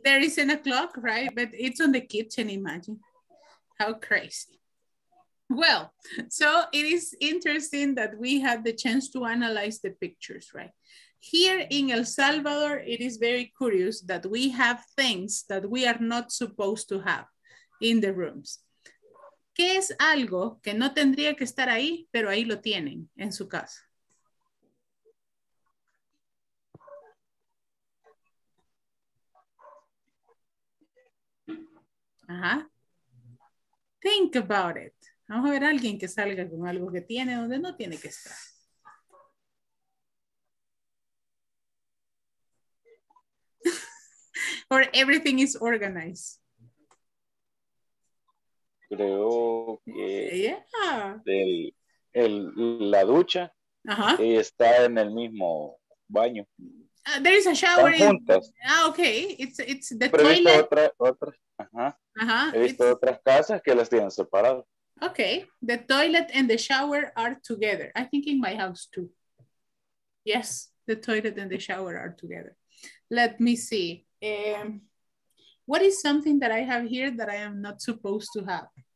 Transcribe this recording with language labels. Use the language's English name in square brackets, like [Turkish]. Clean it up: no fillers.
[English] There isn't a clock, right? But it's on the kitchen, imagine. How crazy. Well, so it is interesting that we had the chance to analyze the pictures, right? Here in El Salvador, it is very curious that we have things that we are not supposed to have in the rooms. [Spanish] ¿Qué es algo que no tendría que estar ahí, pero ahí lo tienen en su casa? Ajá. [English] Think about it. [Spanish] Vamos a ver a alguien que salga con algo que tiene donde no tiene que estar. [English] Or everything is organized. [Spanish] Creo que [English] yeah. [Spanish] La ducha está en el mismo baño. [English] There is a shower. [Spanish] Están juntas. [English] Ah, okay. It's the pero toilet. [Spanish] He visto otra. He visto otras casas que las tienen separadas. [English] Okay, the toilet and the shower are together. I think in my house too. Yes, the toilet and the shower are together. Let me see. What is something that I have here that I am not supposed to have?